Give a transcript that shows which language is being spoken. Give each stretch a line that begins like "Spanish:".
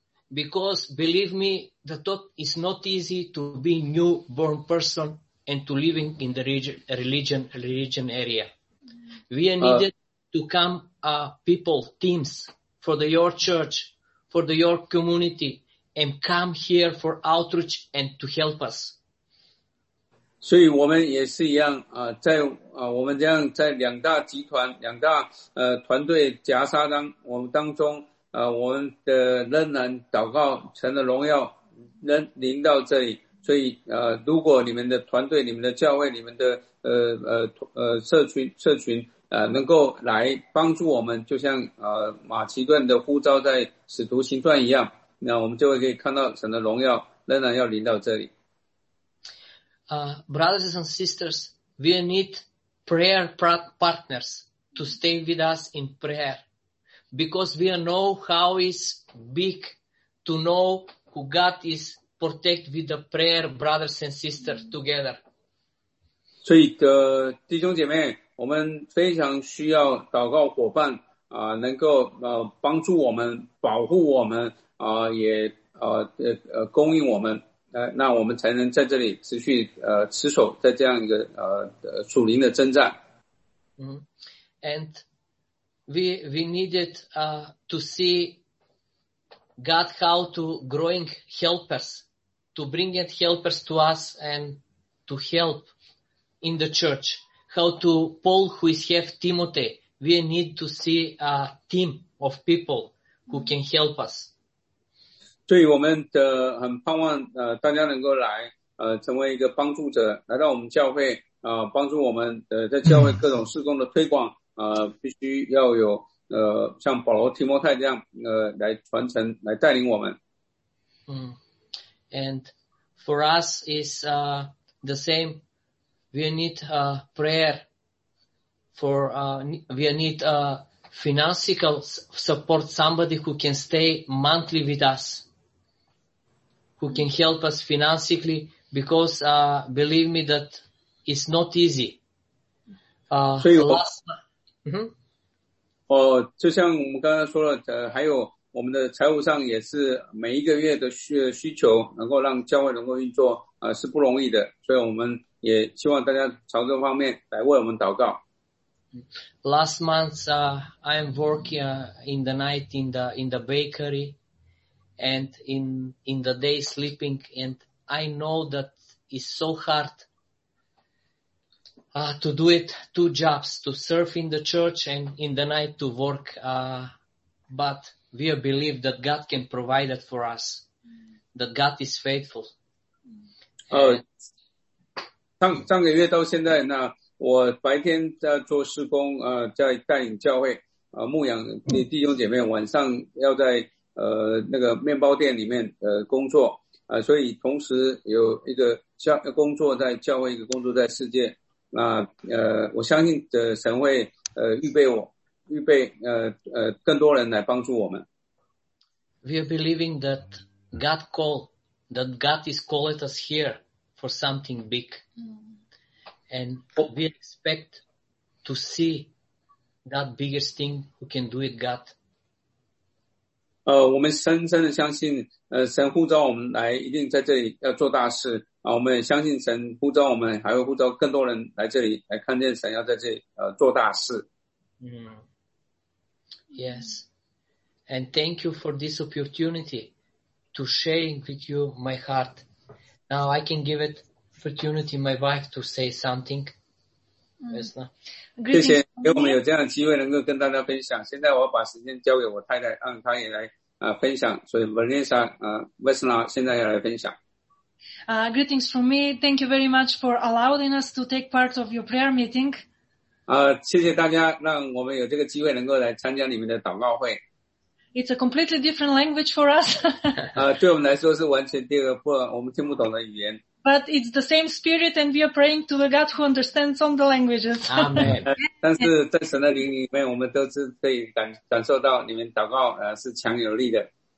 English: Because believe me, the thought is not easy to be a newborn person and to living in the religion area. We needed to come, people, teams for your church, for your community, and come here for outreach and to help us.
Chinese: 所以我们也是一样，在我们这样在两大集团、两大团队夹杀当我们当中。我们的仍然祷告神的荣耀仍临到这里，所以如果你们的团队、你们的教会、你们的社群能够来帮助我们，就像马其顿的呼召在使徒行传一样，那我们就会可以看到神的荣耀仍然要临到这里。
English: Brothers and sisters, we need prayer partners to stay with us in prayer. Because we know how is big to know who God is protect with the prayer, brothers and sisters together.
Chinese: 所以弟兄姐妹，我们非常需要祷告伙伴能够帮助我们、保护我们也供应我们那我们才能在这里持续持守在这样一个属灵的征战。
English: And we needed to see God how to growing helpers, to bring in helpers to us and to help in the church. How to Paul, who is have Timothy, we need to see a team of people who can help us.
Chinese: 对我们的很盼望大家能够来成为一个帮助者来到我们教会帮助我们在教会各种事工的推广必须要有像保罗提摩太这样来传承来带领我们。
English: And for us is the same. We need prayer for we need financial support, somebody who can stay monthly with us, who can help us financially, because believe me that it's not easy.
Chinese: 所以我就像我们刚才说了还有我们的财务上也是每一个月的需求能够让教会能够运作是不容易的，所以我们也希望大家朝这方面来为我们祷告。
English: Last month, I'm working in the night in the bakery, and in the day sleeping. And I know that it's so hard to do it two jobs, to serve in the church and in the night to work. But we believe that God can provide it for us, that God is faithful.
Chinese: 上个月到现在呢。我白天在做事工在带领教会牧养弟兄姐妹，晚上要在那个面包店里面工作所以同时有一个工作在教会，一个工作在世界。那我相信神会预备我预备更多人来帮助我们。
English: We are believing that God called, that God is calling us here for something big. And we expect to see that biggest thing who can do it, God.
Chinese: 我们深深的相信，神呼召我们来，一定在这里要做大事啊！我们也相信神呼召我们，还会呼召更多人来这里来看见神要在这里做大事。
English: Yes, and thank you for this opportunity to sharing with you my heart. Now I can give it. Opportunity, my wife to say something. Yes, thank you.
Chinese: 给我们有这样的机会能够跟大家分享。现在我把时间交给我太太，让她也来分享。所以 Vanessa, Vesna 现在要来分享。
English: Greetings from me. Thank you very much for allowing us to take part of your prayer meeting.
Chinese: 谢谢大家，让我们有这个机会能够来参加你们的祷告会。
English: It's a completely different language for us.
Chinese: 对我们来说是完全第二个不我们听不懂的语言。
English: But it's the same spirit, and we are praying to a God who understands all the languages. Amen.
Chinese: 但是在神的灵里面，我们都是可以感受到你们祷告是强有力的。